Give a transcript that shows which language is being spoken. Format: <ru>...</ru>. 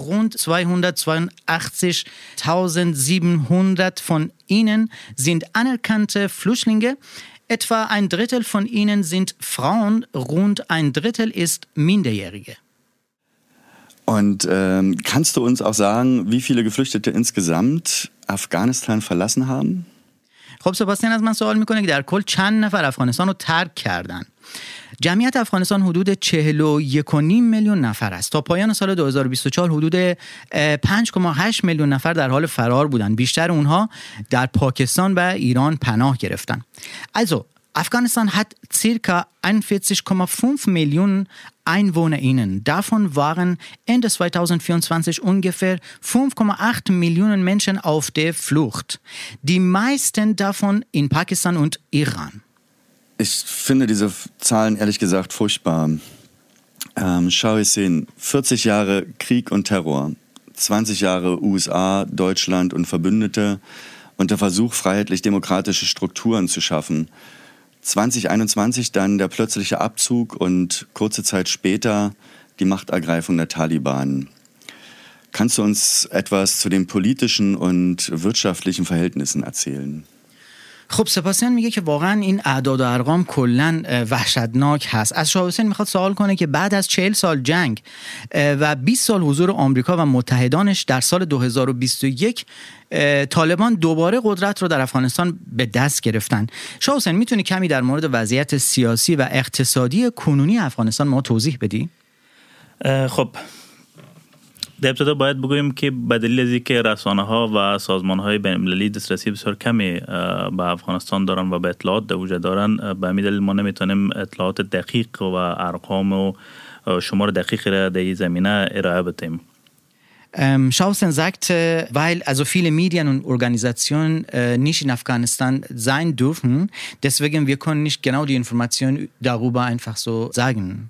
<de>Rund 282,700 von ihnen sind anerkannte Flüchtlinge. Etwa ein Drittel von ihnen sind Frauen, rund ein Drittel ist Minderjährige. Und kannst du uns auch sagen, wie viele Geflüchtete insgesamt Afghanistan verlassen haben?</de> <fa>خب سباستین از من سوال میکنه که در کل چند نفر افغانستان رو ترک کردن؟ جمعیت افغانستان حدود 41.5 میلیون نفر است. تا پایان سال 2024 حدود 5.8 میلیون نفر در حال فرار بودند. بیشتر اونها در پاکستان و ایران پناه گرفتند.</fa> <de>Afghanistan hat circa 41,5 Millionen EinwohnerInnen. Davon waren Ende 2024 ungefähr 5,8 Millionen Menschen auf der Flucht. Die meisten davon in Pakistan und Iran. Ich finde diese Zahlen ehrlich gesagt furchtbar. Schau ich sehen, 40 Jahre Krieg und Terror, 20 Jahre USA, Deutschland und Verbündete und der Versuch, freiheitlich-demokratische Strukturen zu schaffen. 2021 dann der plötzliche Abzug und kurze Zeit später die Machtergreifung der Taliban. Kannst du uns etwas zu den politischen und wirtschaftlichen Verhältnissen erzählen?</de> <fa>خب سپاسیان میگه که واقعا این اعداد و ارقام کلن وحشتناک هست. از شاه حسین میخواد سوال کنه که بعد از 40 سال جنگ و 20 سال حضور آمریکا و متحدانش در سال 2021 طالبان دوباره قدرت رو در افغانستان به دست گرفتن. شاه حسین میتونی کمی در مورد وضعیت سیاسی و اقتصادی کنونی افغانستان ما توضیح بدی؟ خب در ابتدا باید بگویم که به دلیل از اینکه رسانه ها و سازمان های بین المللی دسترسی بسیار کمی به افغانستان دارن و به اطلاعات در وجود دارن، به همین دلیل ما نمیتونیم اطلاعات دقیق و ارقام و شمار دقیق را در این زمینه ارائه بدیم.</fa> <de>Schausen sagt, weil also viele Medien und Organisationen nicht in Afghanistan sein dürfen, deswegen wir können nicht genau die Informationen darüber einfach so sagen.</de>